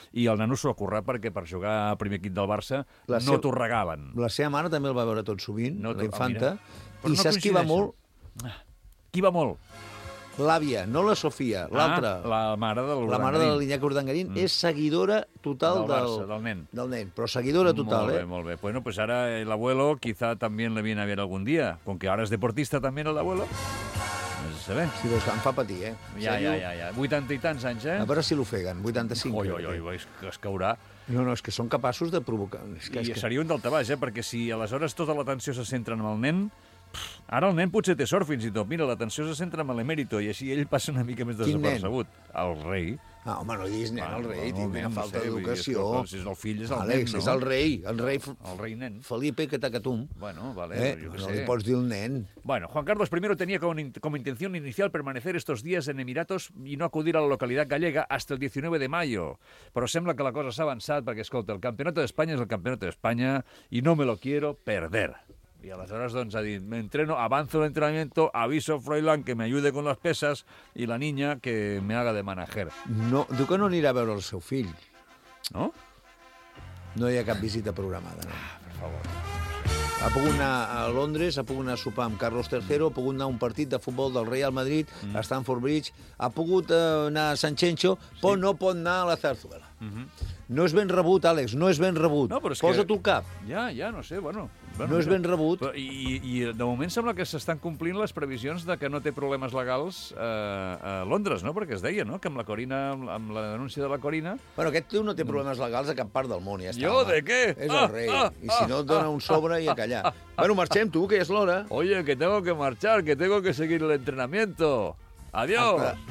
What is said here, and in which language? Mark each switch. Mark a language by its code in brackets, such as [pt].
[ca] I el nano s'ho ha currat perquè per jugar a primer equip del Barça la no t'ho regaven. La seva mare també el va veure tot sovint, no l'infanta. I no saps qui va molt? Qui va molt? L'àvia, no la Sofia, l'altra. Ah, la mare de l'Urdangarín. La mare de l'Iñaki Urdangarín és seguidora total del Barça, del nen. Del nen, però seguidora total, molt bé, eh? Molt bé, molt bé. [es] Bueno, pues ara l'abuelo quizá también le viene a ver algún día. [ca] Com que ara és deportista també, no, l'abuelo? No sé saber. Sí, però em fa patir, eh? Ja. 80 i tants anys, eh? A veure si l'ofeguen, 85. Oi, es caurà. No, és que són capaços de provocar... I seria un daltabaix, eh? Perquè si aleshores tota l'atenció se centra en el nen... Ara el nen potser té sort, fins i tot. Mira, l'atenció se centra en l'emèrito i així ell passa una mica més desapercebut. El rei. Ah, home, no diguis nen, el rei. Tinc una falta d'educació. Si és el fill, és el Àlex, nen, no? És el rei. El rei, el rei nen. Felipe, que tacatum. Bueno, vale, jo què sé. No li pots dir el nen. [es] Bueno, Juan Carlos I tenia com intenció inicial permanecer estos días en Emiratos i no acudir a la localitat gallega hasta el 19 de mayo. [ca] Però sembla que la cosa s'ha avançat perquè, escolta, el campeonato d'Espanya és el campeonato d'Espanya i [es] no me lo quiero perder. Y a las horas donde ha dicho, me entreno, avanzo el entrenamiento, aviso a Froilán que me ayude con las pesas y la niña que me haga de manager. [ca] No, diu que no anirà a veure el seu fill. No? No hi ha cap visita programada. No? Ah, per favor. Ha pogut anar a Londres, ha pogut anar a sopar amb Carlos III, ha pogut anar a un partit de futbol del Real Madrid, a Stamford Bridge, ha pogut anar a Sanxenxo, sí. Però no pot anar a la Zarzuela. No és ben rebut, Àlex, no és ben rebut. No, però és posa-t'ho que... al cap. Ja, no sé, bueno... Bueno, no és ben rebut. Però, i de moment sembla que s'estan complint les previsions de que no té problemes legals a Londres, no? Perquè es deia, no?, que amb la Corina, amb la denúncia de la Corina... Però aquest tio no té problemes legals a cap part del món, ja està. Jo, de què? És el rei. I si no, et dona un sobre i a callar. Bueno, marxem, tu, que ja és l'hora. [es] Oye, que tengo que marchar, que tengo que seguir el entrenamiento. Adiós.